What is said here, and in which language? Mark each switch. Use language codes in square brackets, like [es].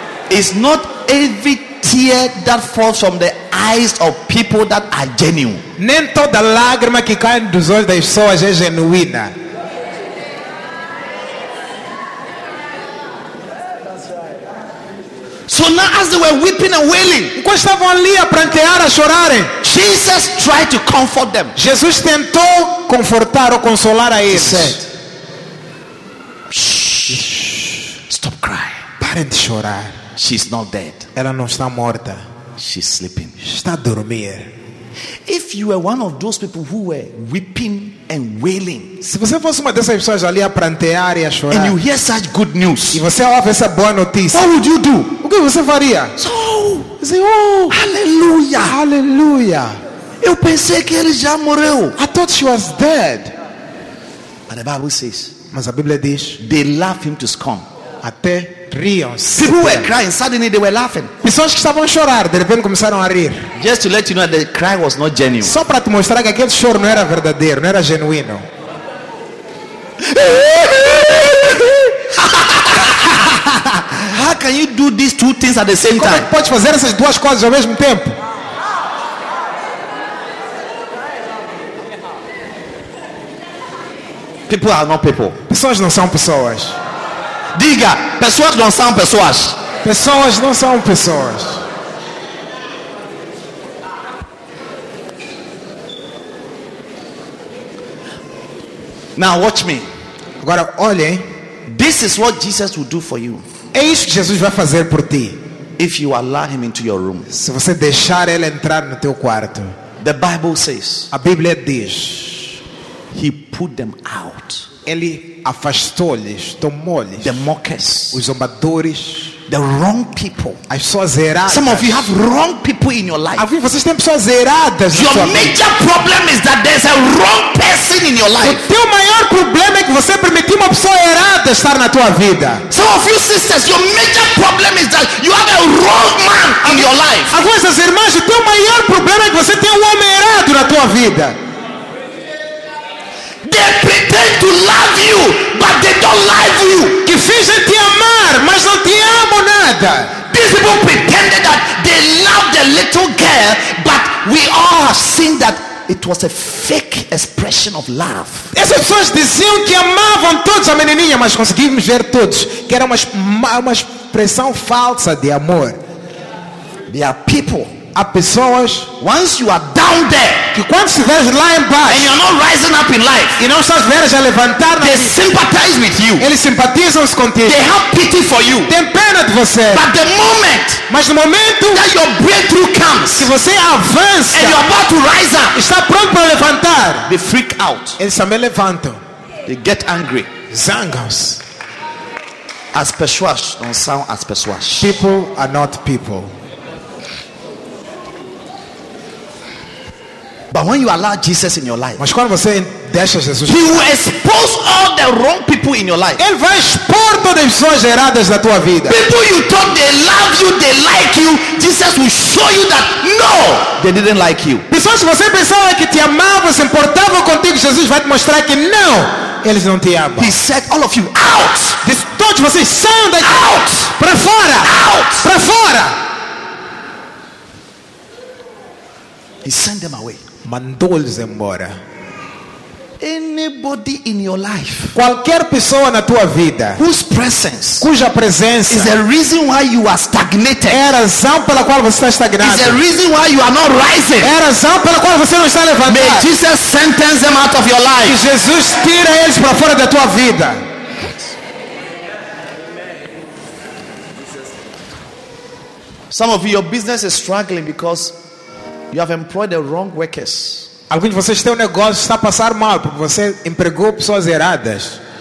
[en] It's not every tear that falls from the eyes of people that are genuine. [pt] Nem toda lágrima que cai dos olhos das pessoas é genuína. [en] So now as they were weeping and wailing, Jesus tried to comfort them. [pt] Jesus tentou confortar ou consolar a eles. [en] He said, stop crying. [pt] Parem de chorar. [en] She's not dead. [pt] Ela não está morta. [en] She's sleeping. [pt] Está a dormir. [en] If you were one of those people who were weeping and wailing, [pt] se você fosse uma dessas pessoas ali a prantear e a chorar, [en] and you hear such good news, [pt] e você ouve essa boa notícia, [en] what would you do? [pt] O que você faria? [en] So, say, oh, hallelujah, hallelujah. [pt] Eu pensei que ele já morreu. [en] I thought she was dead. But the Bible says, [pt] mas a Bíblia diz, [en] they laughed him to scorn. [pt] Até [en] people were crying, suddenly they were laughing. [pt] Pessoas que estavam a chorar, de repente começaram a rir. [en] Just to let you know that the cry was not genuine. [pt] Só para te mostrar que aquele choro não era verdadeiro, não era genuíno. [en] How can you do these two things at the same time? [pt] Como é que pode fazer essas duas coisas ao mesmo tempo? [en] People are not people. [pt] Pessoas não são pessoas. Diga, pessoas não são pessoas. Pessoas não são pessoas. [en] Now watch me. [pt] Agora olhe. [en] This is what Jesus will do for you. [pt] É isso que Jesus vai fazer por ti. [en] If you allow him into your room. [pt] Se você deixar ele entrar no teu quarto. [en] The Bible says. [pt] A Bíblia diz. [en] He put them out. [pt] Ele afastou-lhes, tomou-lhes. [en] The mockers, [pt] os zombadores. [en] The wrong people, [pt] as pessoas erradas. [en] Some of you have wrong people in your life. [pt] Vocês têm pessoas erradas. [en] Your major problem is that there's a wrong person in your life. [pt] O teu maior problema é que você permitiu uma pessoa errada estar na tua vida. [en] Some of you sisters, your major problem is that you have a wrong man in your life. [pt] As vossas irmãs, o teu maior problema é que você tem homem errado na tua vida. [en] They pretend to love you, but they don't love you. [pt] Que fingem te amar, mas não te amam nada. [en] These people pretended that they love the little girl, but we all have seen that it was a fake expression of love. [pt] Essas pessoas diziam que amavam todos a menininha, mas conseguimos ver todos que era uma expressão falsa de amor. [en] There are people. [pt] Há pessoas, [en] once you are down there, [pt] que quando estiveres lá embaixo, [en] and you are not rising up in life, [pt] e não estás veras a levantar, [en] they sympathize with you, [pt] eles simpatizam-se contigo, [en] they have pity for you, [pt] têm pena de você, [en] but the moment, [pt] mas no momento [en] that your breakthrough comes, [pt] que você avança, [en] and you are about to rise up, [pt] está pronto para levantar, [en] they freak out, [pt] eles também levantam, [en] they get angry, [pt] zangam-se. As pessoas não são as pessoas. [en] People are not people. But when you allow Jesus in your life, [pt] mas quando você deixa Jesus, [en] he will expose all the wrong people in your life. [pt] Ele vai expor todas as pessoas erradas da tua vida. [en] People you thought they love you, they like you, Jesus will show you that no, they didn't like you. [pt] Pessoas que você pensava que te amavam, se importavam contigo, Jesus vai te mostrar que não, eles não te amam. [en] He said, all of you out. [pt] Diz, todos vocês saiam daqui. [en] Out. [pt] Para fora. [en] Out. [pt] Para fora. [en] He sent them away. [pt] Mandou-lhes embora. [en] Anybody in your life, [pt] qualquer pessoa na tua vida, [en] whose presence, [pt] cuja presença, [en] is a reason why you are stagnated, [pt] é a razão pela qual você está estagnado, [en] is a reason why you are not rising, [pt] é a razão pela qual você não está levantado. [en] May Jesus sentence them out of your life. [pt] Que Jesus tira eles para fora da tua vida. [en] Some of you, your business is struggling because you have employed the wrong workers. [pt] Alguns de vocês têm um negócio está a passar mal porque você empregou pessoas erradas.